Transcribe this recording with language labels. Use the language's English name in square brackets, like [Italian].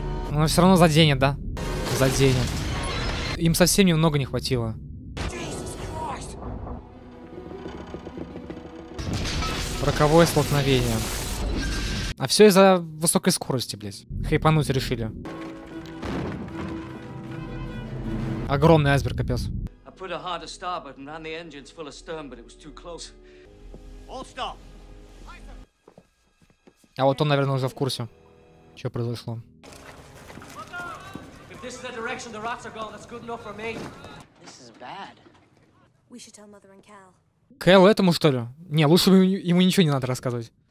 [Russian] Но все равно заденет, да? Заденет. Им совсем немного не хватило. Роковое столкновение. А все из-за высокой скорости, блядь. Хайпануть решили. Огромный айсберг, капец. [English] Put a harder starboard and ran the engines full of stern, but it was too close. All stop. [Russian] А вот он, наверное, уже в курсе, что произошло. [English] If this is the direction the rats are going, that's good enough for me. This is bad. We should tell Mother and Cal. [Russian] Кэл этому что ли? Не, лучше бы ему ничего не надо рассказывать.